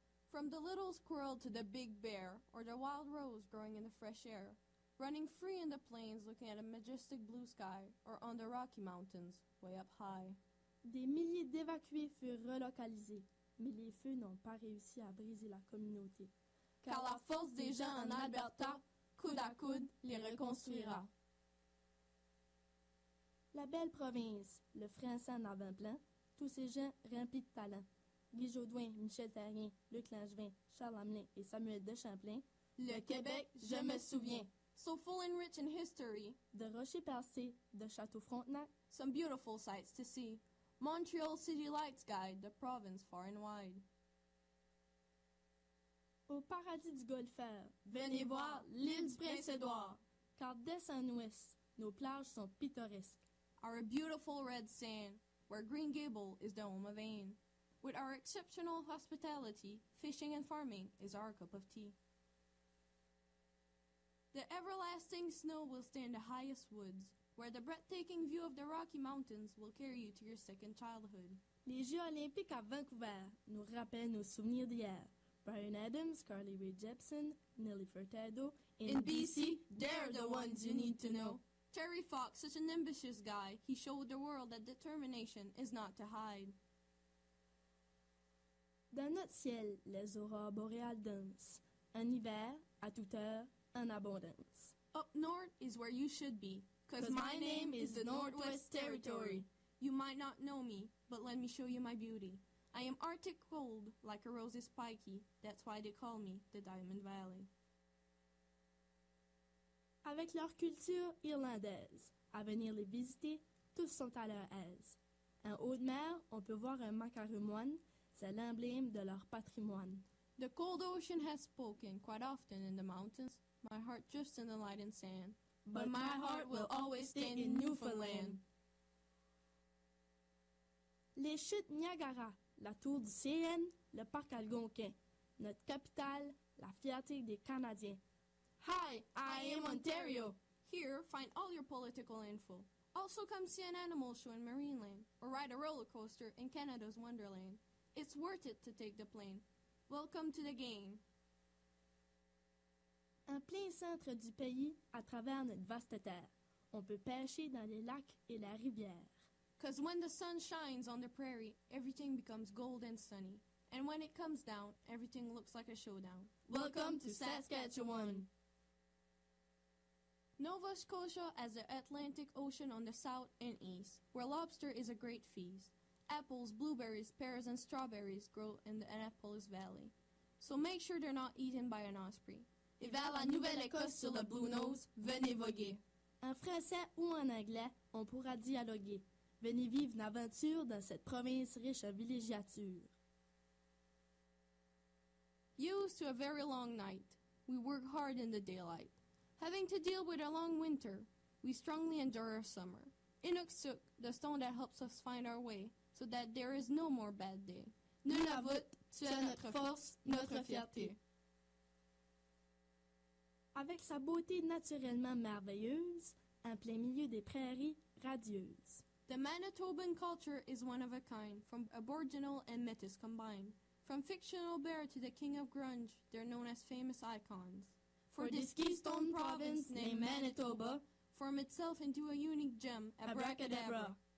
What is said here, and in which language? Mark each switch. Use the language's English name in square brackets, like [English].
[English] From the little squirrel to the big bear, or the wild rose growing in the fresh air, running free in the plains looking at a majestic blue sky, or on the Rocky Mountains, way up high. [French] Des milliers d'évacués furent relocalisés, mais les feux n'ont pas réussi à briser la communauté. Car la force des gens en Alberta, coude à coude, les reconstruira. La belle province, le français en avant-plan, tous ces gens remplis de talent. Guy Jodoin, Michel Therrien, Luc Langevin, Charles Hamelin et Samuel de Champlain. Le Québec, je me souviens. [English] So full and rich in history. [French] De rochers percés, de châteaux Frontenac. [English] Some beautiful sights to see. Montreal City Lights guide the province far and wide. [French] Au paradis du golfeur. Venez voir l'île du Prince-Édouard. Car dès en ouest, nos plages sont pittoresques. [English] Our beautiful red sand. Where Green Gable is the home of Anne. With our exceptional hospitality, fishing and farming is our cup of tea. The everlasting snow will stay in the highest woods, where the breathtaking view of the Rocky Mountains will carry you to your second childhood. [French] Les Jeux Olympiques à Vancouver nous rappellent nos souvenirs d'hier. Bryan Adams, Carly Rae Jepsen, Nelly Furtado. [English] In BC, they're the ones you need to know. Terry Fox, such an ambitious guy, he showed the world that determination is not to hide. [French] Dans notre ciel, les aurores boréales dansent. En hiver, à toute heure, en abondance. [English] Up north is where you should be, because my name is the Northwest Territory. You might not know me, but let me show you my beauty. I am Arctic cold, like a rose is spiky. That's why they call me the Diamond Valley. [French] Avec leur culture irlandaise, à venir les visiter, tous sont à leur aise. En haute mer, on peut voir un macareux moine, c'est l'emblème de leur patrimoine. [English] The cold ocean has spoken quite often in the mountains, my heart just in the light and sand. But my heart will always stand in Newfoundland. [French] Les chutes Niagara, la tour du CN, le parc Algonquin, notre capitale, la fierté des Canadiens. [English] Hi, I am Ontario. Here, find all your political info. Also come see an animal show in Marineland, or ride a roller coaster in Canada's Wonderland. It's worth it to take the plane. Welcome to the game. [French] en plein centre du pays, à travers notre vaste terre. On peut pêcher dans les lacs et la rivière. [English] Cause when the sun shines on the prairie, everything becomes gold and sunny. And when it comes down, everything looks like a showdown. Welcome to Saskatchewan! Nova Scotia has the Atlantic Ocean on the south and east, where lobster is a great feast. Apples, blueberries, pears, and strawberries grow in the Annapolis Valley. So make sure they're not eaten by an osprey. [French] Et vers la Nouvelle-Écosse sur le Blue Nose, venez voguer. En français ou en anglais, on pourra dialoguer. Venez vivre une aventure dans cette province riche en villégiature. [English] Used to a very long night, we work hard in the daylight. Having to deal with a long winter, we strongly endure our summer. Inuksuk, the stone that helps us find our way, so that there is no more bad day. [French] Nous la voûte, tu as notre force, notre fierté. Avec sa beauté naturellement merveilleuse, en plein milieu des prairies radieuses. [English] The Manitoban culture is one of a kind, from Aboriginal and Métis combined. From fictional bear to the king of grunge, they're known as famous icons. For this keystone province named Manitoba, form itself into a unique gem, abracadabra.